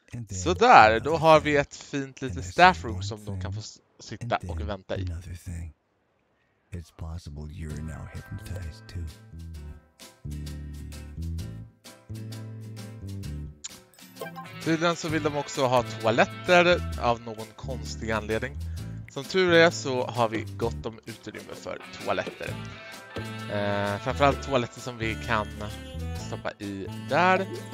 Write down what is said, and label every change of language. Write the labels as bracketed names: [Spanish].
[Swedish] Sådär, då har vi ett fint litet staff room som de kan få sitta och vänta i. [English] It's possible you're now hypnotized too. [Swedish] Tydligen så vill de också ha toaletter av någon konstig anledning. Som tur är så har vi gott om utrymme för toaletter. Framförallt toaletter som vi kan stoppa i där.